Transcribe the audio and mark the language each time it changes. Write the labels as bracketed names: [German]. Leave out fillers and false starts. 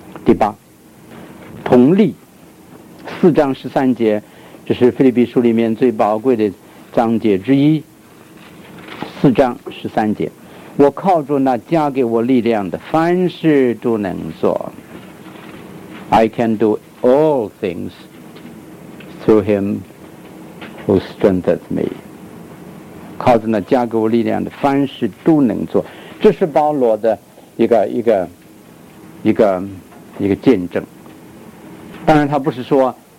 [Chinese] 第八，同力四章十三节，这是腓立比书里面最宝贵的章节之一。四章十三节，我靠着那加给我力量的，凡事都能做。 [English] I can do all things through him who strengthens me。 [Chinese] 靠着那加给我力量的，凡事都能做。这是保罗的一个见证。当然，他不是说。